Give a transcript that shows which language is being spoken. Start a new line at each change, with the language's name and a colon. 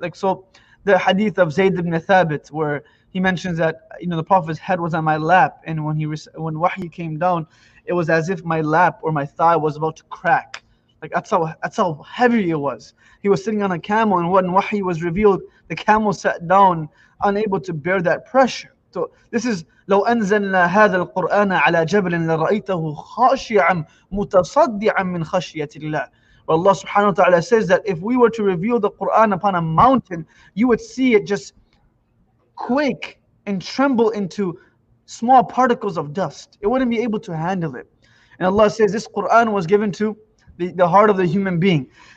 English: Like, so the hadith of Zayd ibn Thabit, where he mentions that, you know, the Prophet's head was on my lap. And when wahi came down, it was as if my lap or my thigh was about to crack. Like, that's how heavy it was. He was sitting on a camel, and when wahi was revealed, the camel sat down, unable to bear that pressure. So this is,
Arabic: لو أنزلنا هذا القرآن على جبل لرأيته خاشعا متصدعا من خشية الله.
English: Well, Allah subhanahu wa ta'ala says that if we were to reveal the Quran upon a mountain, you would see it just quake and tremble into small particles of dust. It wouldn't be able to handle it. And Allah says this Quran was given to the heart of the human being.